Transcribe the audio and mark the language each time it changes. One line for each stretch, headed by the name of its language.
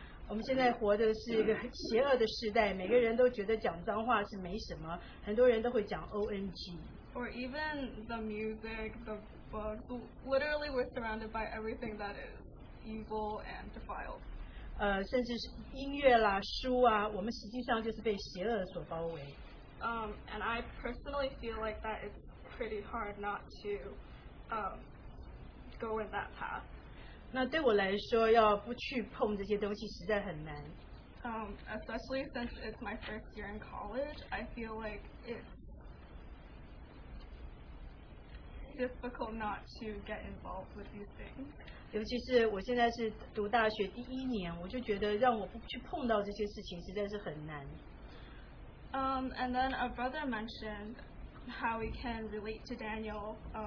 Chinese: 我们现在活的是一个邪恶的时代，每个人都觉得讲脏话是没什么，很多人都会讲 ONG.
English: Or even the music, the books. Literally, we're surrounded by everything that is evil and defiled.
Chinese: 甚至是音乐啦、书啊，我们实际上就是被邪恶所包围。
English: And I personally feel like that is pretty hard not to, go in that path.
Chinese: 那对我来说，要不去碰这些东西实在很难。
English: Especially since it's my first year in college, I feel like it's difficult not to get involved with these things.
Chinese: 尤其是我现在是读大学第一年，我就觉得让我不去碰到这些事情实在是很难。
English: And then our brother mentioned how we can relate to Daniel.